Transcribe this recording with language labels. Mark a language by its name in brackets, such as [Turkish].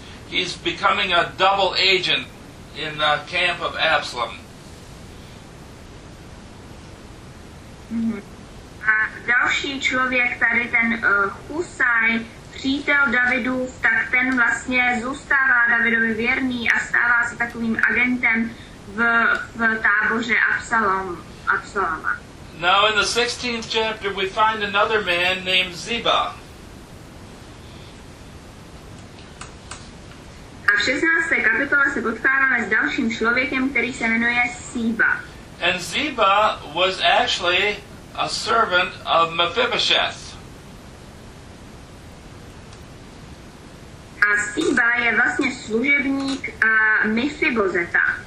[English] He's becoming a double agent in the camp of Absalom. [Czech] A další člověk tady, ten Husaj, přítel Davidův, tak ten vlastně zůstává Davidovi věrný a stává se takovým agentem v táboře Absaloma. [English] Now in the 16th chapter we find another man named Ziba. [Czech] A v 16. kapitole se potkáváme s dalším člověkem, který se jmenuje Ziba. [English] And Ziba was actually a servant of Mephibosheth. [Czech] A Ziba je vlastně služebník Mephibozeta.